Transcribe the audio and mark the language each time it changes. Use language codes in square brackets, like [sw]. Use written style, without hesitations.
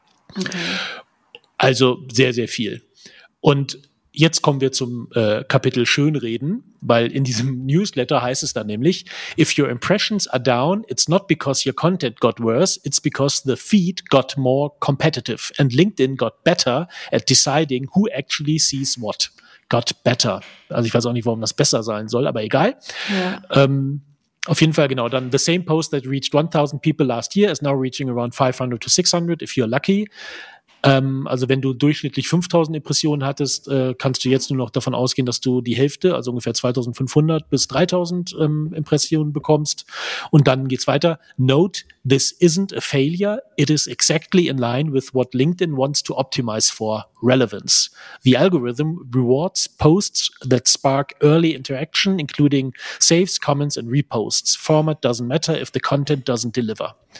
[en] Okay. [de] Also sehr, sehr viel. Und jetzt kommen wir zum Kapitel Schönreden, weil in diesem Newsletter heißt es dann nämlich, [en] if your impressions are down, it's not because your content got worse, it's because the feed got more competitive and LinkedIn got better at deciding who actually sees what. Got better. [de] Also ich weiß auch nicht, warum das besser sein soll, aber egal. Ja. Auf jeden Fall, genau. [en] Dann, the same post that reached 1,000 people last year is now reaching around 500 to 600, if you're lucky. [de] Also wenn du durchschnittlich 5.000 Impressionen hattest, kannst du jetzt nur noch davon ausgehen, dass du die Hälfte, also ungefähr 2.500 bis 3.000 Impressionen bekommst. Und dann geht's weiter. [en] Note, this isn't a failure. It is exactly in line with what LinkedIn wants to optimize for, relevance. The algorithm rewards posts that spark early interaction, including saves, comments and reposts. Format doesn't matter if the content doesn't deliver.